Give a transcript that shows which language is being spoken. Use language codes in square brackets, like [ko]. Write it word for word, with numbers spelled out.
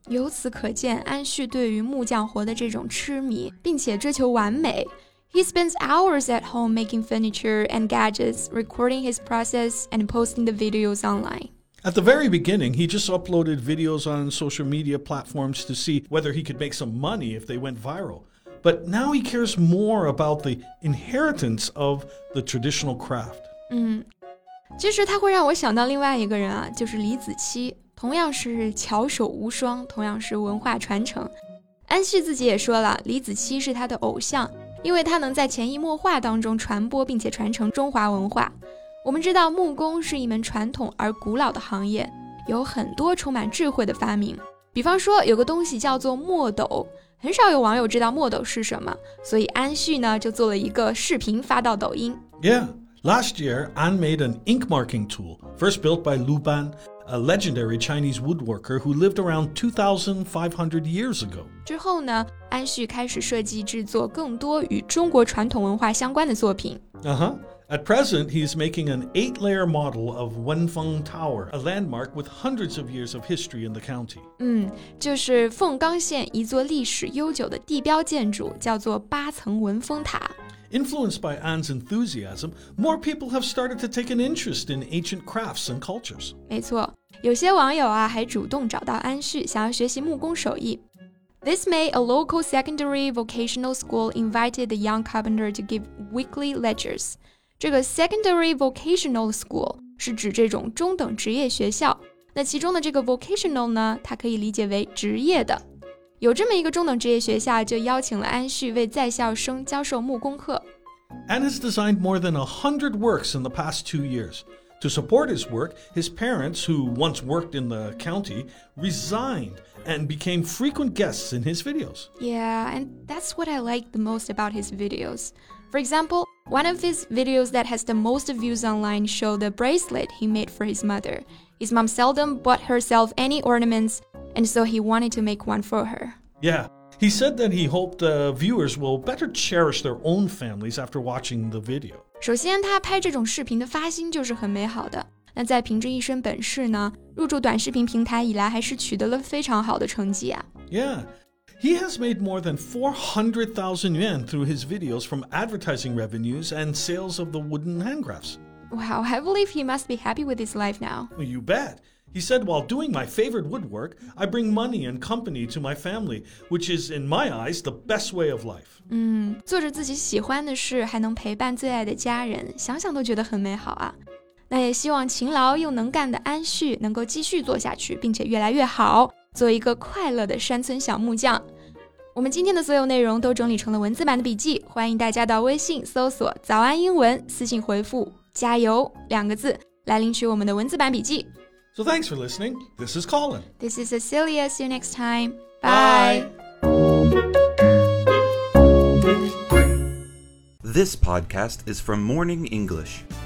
[zh] 由此可见，安旭对于木匠活的这种痴迷，并且追求完美。 [en] He spends hours at home making furniture and gadgets, recording his process and posting the videos online. At the very beginning, he just uploaded videos on social media platforms to see whether he could make some money if they went viral. But now he cares more about the inheritance of the traditional craft. [zh] 嗯，其实他会让我想到另外一个人啊，就是李子柒，同样是巧手无双，同样是文化传承。安旭自己也说了，李子柒是他的偶像，因为他能在潜移默化当中传播并且传承中华文化。我们知道木工是一门传统而古老的行业，有很多充满智慧的发明。比方说有个东西叫做墨斗，很少有网友知道墨斗是什么，所以安旭呢就做了一个视频发到抖音。 [en] Yeah, last year, Anne made an ink marking tool, first built by Lu Ban, a legendary Chinese woodworker who lived around two thousand five hundred years ago. [zh] 之后呢，安旭开始设计制作更多与中国传统文化相关的作品。 Uh-huh. [en] At present, he is making an eight-layer model of Wenfeng Tower, a landmark with hundreds of years of history in the county. [zh] 嗯，就是凤冈县一座历史悠久的地标建筑，叫做八层文峰塔。 [en] Influenced by Anne's enthusiasm, more people have started to take an interest in ancient crafts and cultures. [zh] 没错，有些网友啊还主动找到安旭，想要学习木工手艺。 [en] This May, a local secondary vocational school invited the young carpenter to give weekly lectures. [zh] 这个 [en] secondary vocational school [zh] 是指这种中等职业学校，那其中的这个 vocational 呢，它可以理解为职业的。有这么一个中等职业学校，就邀请了安旭为在校生教授木工课。 [en] Anne has designed more than one hundred works in the past two years. To support his work, his parents, who once worked in the county, resigned and became frequent guests in his videos. Yeah, and that's what I like the most about his videos. For example, one of his videos that has the most views online showed the bracelet he made for his mother. His mom seldom bought herself any ornaments, and so he wanted to make one for her. Yeah, he said that he hoped uh, viewers will better cherish their own families after watching the video. [zh] 首先，他拍这种视频的发心就是很美好的。那在凭着一身本事呢，入驻短视频平台以来，还是取得了非常好的成绩啊。 [en] Yeah. He has made more than four hundred thousand yuan through his videos from advertising revenues and sales of the wooden handcrafts. Wow, I believe he must be happy with his life now. You bet. He said, while doing my favorite woodwork, I bring money and company to my family, which is, in my eyes, the best way of life. [zh] 嗯，做着自己喜欢的事，还能陪伴最爱的家人，想想都觉得很美好啊。那也希望勤劳又能干的安旭能够继续做下去，并且越来越好。做一个快乐的山村小木匠。我们今天的所有内容都整理成了文字版的笔记，欢迎大家到微信搜索早安英文，私信回复加油两个字来领取我们的文字版笔记。 [en] So thanks for listening. This is Colin. This is Cecilia. See you next time. Bye. This podcast is from Morning English.